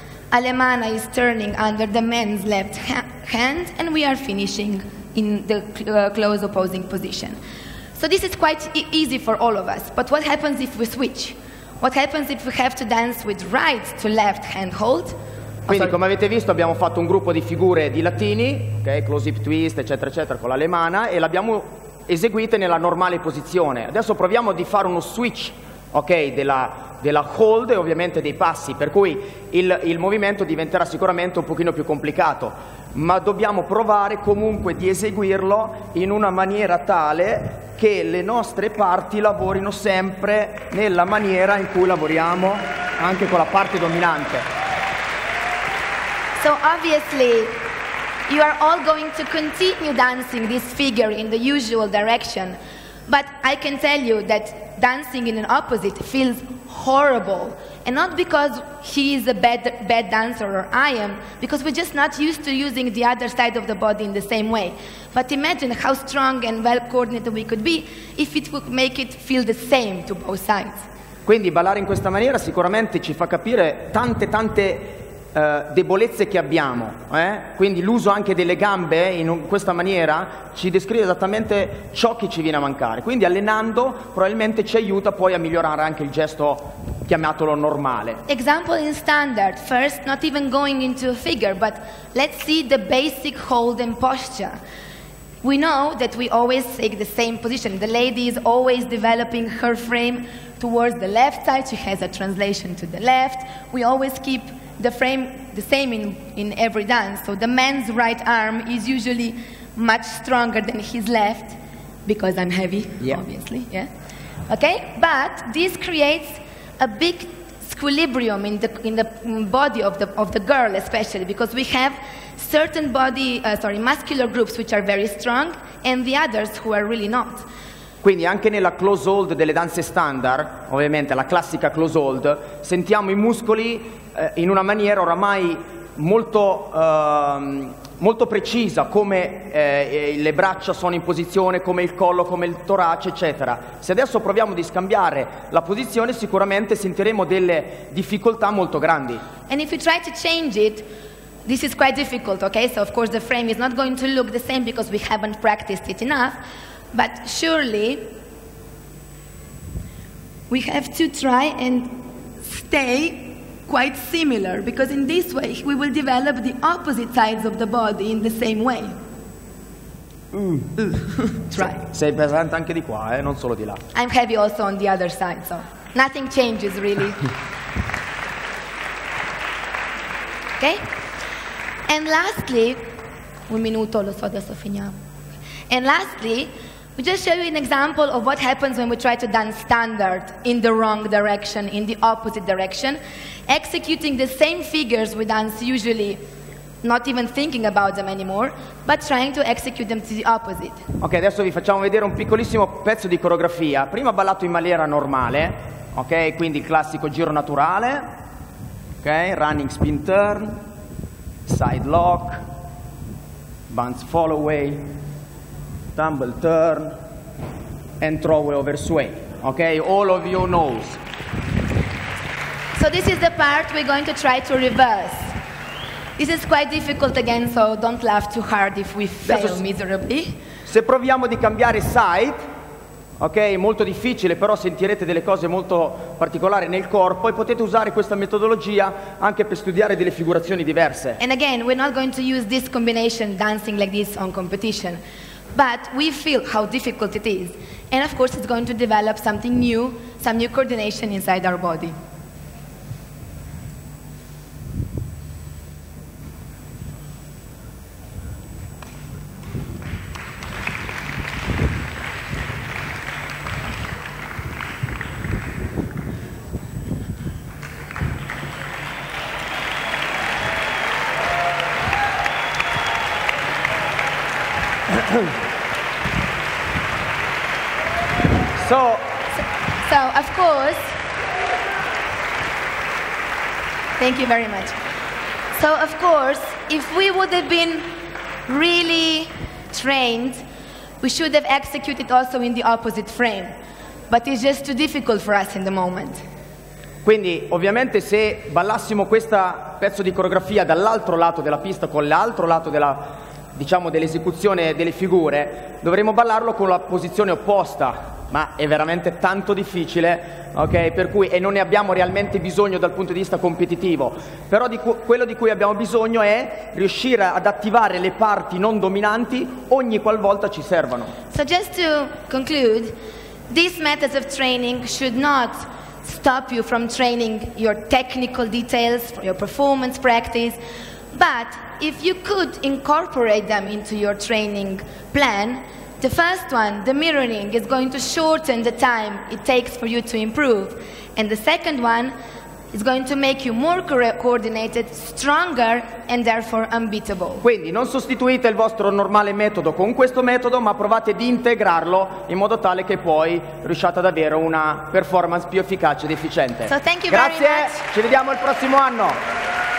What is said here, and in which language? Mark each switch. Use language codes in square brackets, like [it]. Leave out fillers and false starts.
[en] Alemana is turning under the man's left hand, and we are finishing in the close opposing position. So this is quite easy for all of us, but what happens if we switch? What happens if we have to dance with right to left hand hold? [it] Quindi, come avete visto, abbiamo fatto un gruppo di figure di latini, ok, close hip twist, eccetera, eccetera, con l'alemana, e l'abbiamo eseguite nella normale posizione. Adesso proviamo di fare uno switch, ok, della hold e ovviamente dei passi, per cui il movimento diventerà sicuramente un pochino più complicato, ma dobbiamo provare comunque di eseguirlo in una maniera tale che le nostre parti lavorino sempre nella maniera in cui lavoriamo anche con la parte dominante. [en] So obviously you are all going to continue dancing this figure in the usual direction, but I can tell you that dancing in an opposite feels horrible, and not because he is a bad dancer or I am, because we're just not used to using the other side of the body in the same way. But imagine how strong and well coordinated we could be if it would make it feel the same to both sides. [it] Quindi ballare in questa maniera sicuramente ci fa capire tante debolezze che abbiamo, quindi l'uso anche delle gambe in questa maniera ci descrive esattamente ciò che ci viene a mancare, quindi allenando probabilmente ci aiuta poi a migliorare anche il gesto, chiamatolo normale. [en] Example in standard, first not even going into a figure, but let's see the basic hold and posture. We know that we always take the same position, the lady is always developing her frame towards the left side, she has a translation to the left, we always keep the frame the same in every dance, so the man's right arm is usually much stronger than his left, because I'm heavy, yeah. Obviously, yeah. Okay, but this creates a big squilibrium in the body of the girl, especially because we have certain muscular groups which are very strong, and the others who are really not. [it] Quindi anche nella close hold delle danze standard, ovviamente la classica close hold, sentiamo i muscoli in una maniera oramai molto, molto precisa, come le braccia sono in posizione, come il collo, come il torace, eccetera. Se adesso proviamo di scambiare la posizione, sicuramente sentiremo delle difficoltà molto grandi. [en] And if you try to change it, this is quite difficult, okay? So of course the frame is not going to look the same because we haven't practiced it enough. But surely we have to try and stay quite similar, because in this way we will develop the opposite sides of the body in the same way. Try. [it] Sei pesante anche di qua, non solo di là. [en] I'm heavy also on the other side, so nothing changes really. Okay? And lastly, [it] un minuto, lo so, adesso finiamo. [en] And lastly, we just show you an example of what happens when we try to dance standard in the wrong direction, in the opposite direction, executing the same figures we dance usually not even thinking about them anymore, but trying to execute them to the opposite. [it] Ok, adesso vi facciamo vedere un piccolissimo pezzo di coreografia. Prima ha ballato in maniera normale, ok? Quindi il classico giro naturale, ok? [en] Running spin turn, side lock, bounce fall away, tumble turn, and throw over sway. Ok, all of you knows. So this is the part we're going to try to reverse. This is quite difficult again, so don't laugh too hard if we fail miserably. [it] Se proviamo di cambiare side, ok, molto difficile, però sentirete delle cose molto particolari nel corpo e potete usare questa metodologia anche per studiare delle figurazioni diverse. [en] And again, we're not going to use this combination dancing like this on competition, but we feel how difficult it is. And of course, it's going to develop something new, some new coordination inside our body. So, of course, thank you very much. So, of course, if we would have been really trained, we should have executed also in the opposite frame. But it's just too difficult for us in the moment. [it] Quindi, ovviamente, se ballassimo questo pezzo di coreografia dall'altro lato della pista con l'altro lato della, diciamo, dell'esecuzione delle figure, dovremmo ballarlo con la posizione opposta. Ma è veramente tanto difficile, ok? Per cui, e non ne abbiamo realmente bisogno dal punto di vista competitivo. Però quello di cui abbiamo bisogno è riuscire ad attivare le parti non dominanti ogni qualvolta ci servono. [en] So just to conclude, these methods of training should not stop you from training your technical details, your performance practice, but if you could incorporate them into your training plan, the first one, the mirroring, is going to shorten the time it takes for you to improve. And the second one is going to make you more coordinated, stronger, and therefore unbeatable. [it] Quindi non sostituite il vostro normale metodo con questo metodo, ma provate ad integrarlo in modo tale che poi riusciate ad avere una performance più efficace ed efficiente. [en] So thank you [it] Grazie. [en] Very much. [it] Grazie, ci vediamo il prossimo anno.